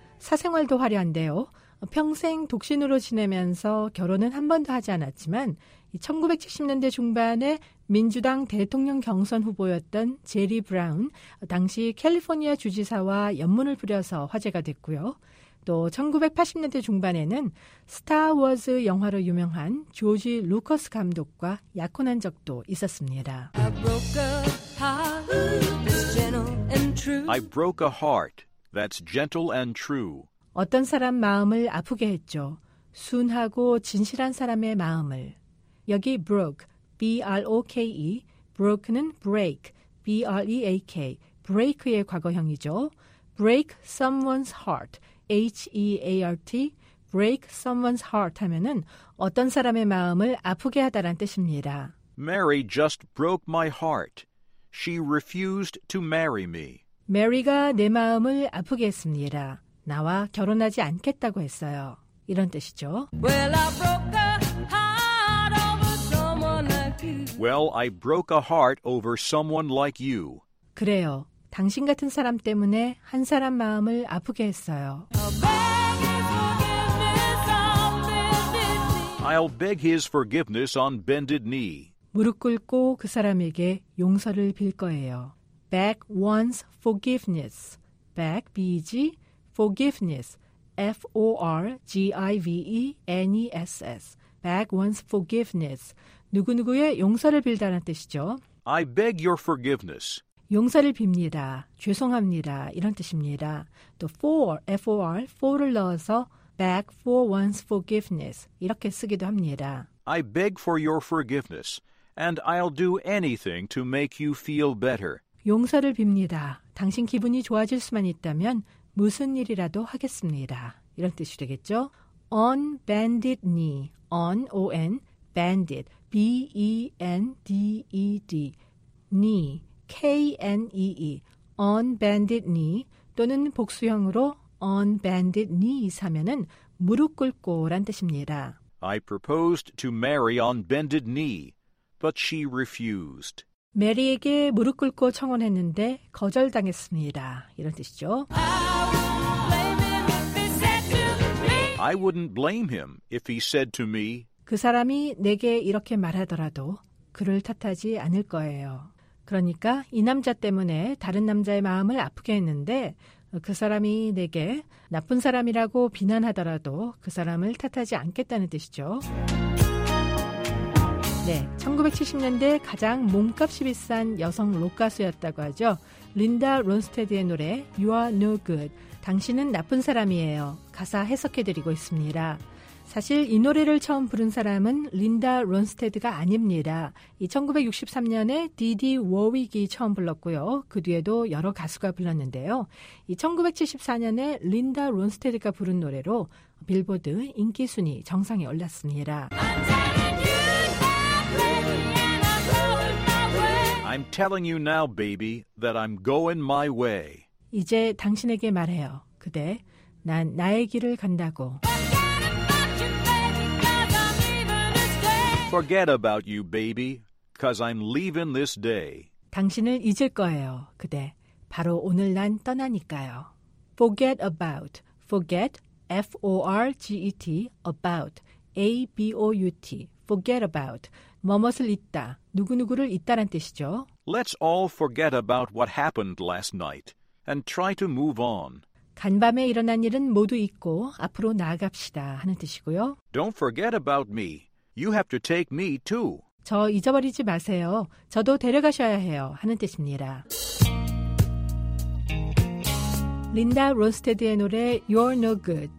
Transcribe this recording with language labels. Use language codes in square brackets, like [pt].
[ko] 사생활도 화려한데요. 평생 독신으로 지내면서 결혼은 한 번도 하지 않았지만 1970년대 중반에 민주당 대통령 경선 후보였던 제리 브라운, 당시 캘리포니아 주지사와 연문을 부려서 화제가 됐고요. 또 1980년대 중반에는 스타워즈 영화로 유명한 조지 루커스 감독과 약혼한 적도 있었습니다. [en] I broke a heart that's gentle and true. I broke a heart that's gentle and true. [ko] 어떤 사람 마음을 아프게 했죠. 순하고 진실한 사람의 마음을. 여기 broke, B-R-O-K-E, broke는 break, B-R-E-A-K, break의 과거형이죠. Break someone's heart, H-E-A-R-T, break someone's heart 하면은 어떤 사람의 마음을 아프게 하다란 뜻입니다. [en] Mary just broke my heart. She refused to marry me. [ko] Mary가 내 마음을 아프게 했습니다. 나와 결혼하지 않겠다고 했어요. 이런 뜻이죠. [en] Well, I broke a heart over someone like you. Well, I broke a heart over someone like you. [ko] 그래요. 당신 같은 사람 때문에 한 사람 마음을 아프게 했어요. [en] I'll beg his forgiveness on bended knee. [ko] 무릎 꿇고 그 사람에게 용서를 빌 거예요. [en] Beg one's forgiveness. Beg, B-E-G. Forgiveness, F-O-R-G-I-V-E-N-E-S-S, beg one's forgiveness, 누구누구의 용서를 빌다는 뜻이죠. I beg your forgiveness. [ko] 용서를 빕니다, 죄송합니다, 이런 뜻입니다. 또 for, F-O-R, for를 넣어서 beg for one's forgiveness, 이렇게 쓰기도 합니다. [en] I beg for your forgiveness, and I'll do anything to make you feel better. [ko] 용서를 빕니다, 당신 기분이 좋아질 수만 있다면 무슨 일이라도 하겠습니다. [en] 이런 뜻이 되겠죠? On bended knee. On, O-N, bended. B-E-N-D-E-D. Knee. K-N-E-E. [ko] On bended knee. 또는 복수형으로 on bended knees 하면은 무릎 꿇고란 뜻입니다. [en] I proposed to Mary on bended knee, but she refused. [ko] 메리에게 무릎 꿇고 청혼했는데 거절당했습니다. 이런 뜻이죠. [en] I wouldn't blame him if he said to me. [ko] 그 사람이 내게 이렇게 말하더라도 그를 탓하지 않을 거예요. 그러니까 이 남자 때문에 다른 남자의 마음을 아프게 했는데 그 사람이 내게 나쁜 사람이라고 비난하더라도 그 사람을 탓하지 않겠다는 뜻이죠. 네, 1970년대 가장 몸값이 비싼 여성 록 가수였다고 하죠. 린다 론스테드의 노래 You Are No Good, 당신은 나쁜 사람이에요. 가사 해석해드리고 있습니다. 사실 이 노래를 처음 부른 사람은 린다 론스테드가 아닙니다. 이 1963년에 디디 워윅이 처음 불렀고요. 그 뒤에도 여러 가수가 불렀는데요. 이 1974년에 린다 론스테드가 부른 노래로 빌보드 인기 순위 정상에 올랐습니다. [en] I'm telling you now, baby, that I'm going my way. [ko] 이제 당신에게 말해요, 그대. 난 나의 길을 간다고. [en] Forget about you, baby, 'cause I'm leaving this day. [ko] 당신을 잊을 거예요, 그대. 바로 오늘 난 떠나니까요. [en] Forget about. Forget, F-O-R-G-E-T, about. A-B-O-U-T, forget about. [ko] 뭐뭇을 잊다, 누구누구를 잊다란 뜻이죠. [en] Let's all forget about what happened last night and try to move on. [ko] 간밤에 일어난 일은 모두 잊고 앞으로 나아갑시다 하는 뜻이고요. [en] Don't forget about me. You have to take me too. [ko] 저 잊어버리지 마세요. 저도 데려가셔야 해요. 하는 뜻입니다. 린다 로스테드의 노래 You're No Good.